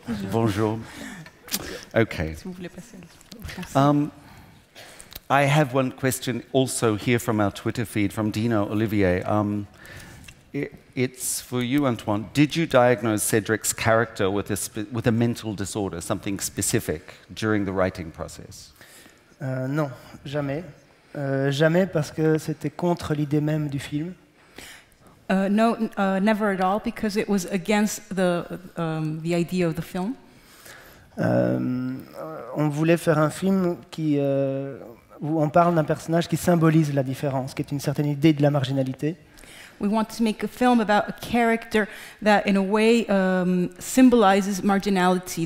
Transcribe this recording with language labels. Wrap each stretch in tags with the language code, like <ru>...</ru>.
<en>Bonjour. Okay. I have one question also here from our Twitter feed from Dino Olivier. It's for you, Antoine. Did you diagnose Cedric's character with a mental disorder, something specific, during the writing process?</en> <fr>Non, jamais. Jamais parce que c'était contre l'idée même du film.</fr> <en>Never at all, because it was against the idea of the film.</en> <fr>On voulait faire un film qui... où on parle d'un personnage qui symbolise la différence, qui est une certaine idée de la marginalité.</fr> <en>We want to make a film about a character that, in a way, symbolizes marginality.</en>